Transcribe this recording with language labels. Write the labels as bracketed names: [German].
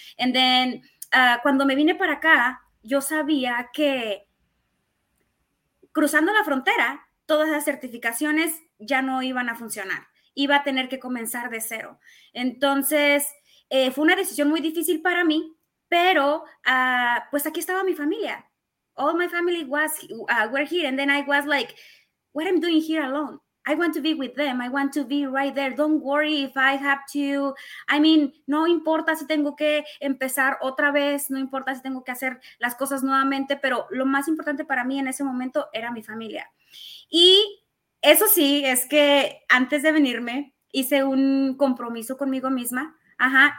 [Spanish] And then, cuando me vine para acá, yo sabía que cruzando la frontera, todas las certificaciones ya no iban a funcionar. Iba a tener que comenzar de cero. Entonces, fue una decisión muy difícil para mí, pero pues aquí estaba mi familia. [English] All my family was, were here. And then I was like, what am I doing here alone? I want to be with them. I want to be right there. Don't worry if I have to. [Spanish] I mean, no importa si tengo que empezar otra vez. No importa si tengo que hacer las cosas nuevamente. Pero lo más importante para mí en ese momento era mi familia. Y eso sí, es que antes de venirme, hice un compromiso conmigo misma. Ajá.